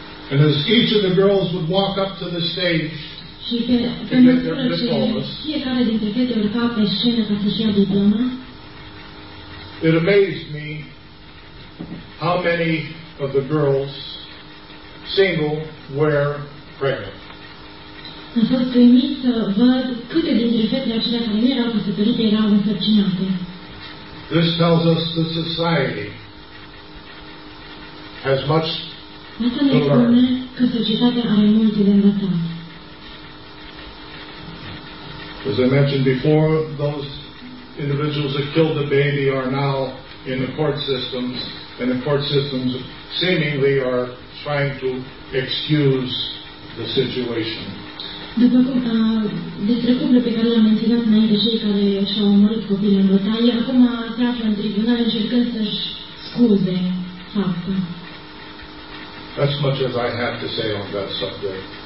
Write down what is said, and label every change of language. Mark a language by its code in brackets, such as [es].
[en] And as each of the girls would walk up to the stage, [ro] Și pe măsură ce fiecare dintre fete urca pe scenă ca să-și ia diploma, [en] it amazed me how many of the girls single were pregnant. [ro] Am fost uimit să văd câte dintre fetele acelea care nu erau căsătorite erau însărcinate. [en] This tells us the society has much to learn. [ro] Că societatea are multe de învățat. [en] As I mentioned before, those individuals that killed the baby are now in the court systems, and the court systems seemingly are trying to excuse the situation. [ro] După cum despre cuplu pe care l-am menționat înainte, cei care și-au omorât copilul în bătaie, acum se află în tribunal încercând să-și scuze faptul. [en] As much as I have to say on that subject.